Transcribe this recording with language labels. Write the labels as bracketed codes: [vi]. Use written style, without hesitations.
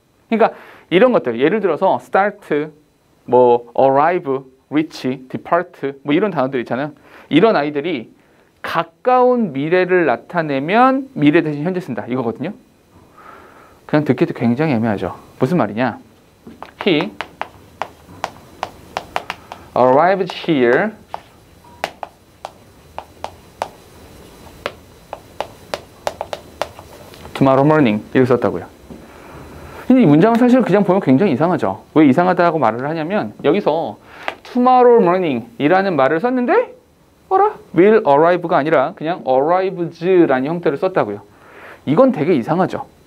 [ko] 그러니까 이런 것들 예를 들어서 start, 뭐 arrive, reach, depart 뭐 이런 단어들 있잖아요. 이런 아이들이 가까운 미래를 나타내면 미래 대신 현재 쓴다 이거거든요. 그냥 듣기도 굉장히 애매하죠. 무슨 말이냐? [en] He arrived here tomorrow morning [ko] 이렇게 썼다고요. 근데 이 문장은 사실 그냥 보면 굉장히 이상하죠. 왜 이상하다고 말을 하냐면 여기서 tomorrow morning 이라는 말을 썼는데 어라? will arrive가 아니라 그냥 arrives라는 형태를 썼다고요. 이건 되게 이상하죠.